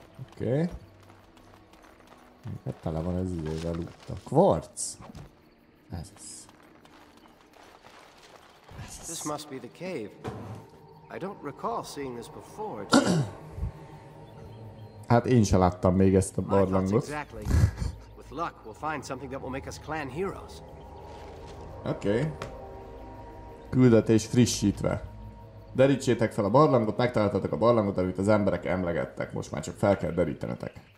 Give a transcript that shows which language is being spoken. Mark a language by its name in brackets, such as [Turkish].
[Hungarian] Oké. Okay. Hát tele van ez idővel út a kvarc. Ez. [English] This must be the cave. I don't recall seeing this before. [Hungarian] Hát én sem láttam még ezt a barlangot. [English] Exactly. With luck, we'll find something that will make us clan heroes. [Hungarian] Okay. Küldetés frissítve. Derítsétek fel a barlangot, megtaláltatok a barlangot, amit az emberek emlegettek. Most már csak fel kell derítenetek.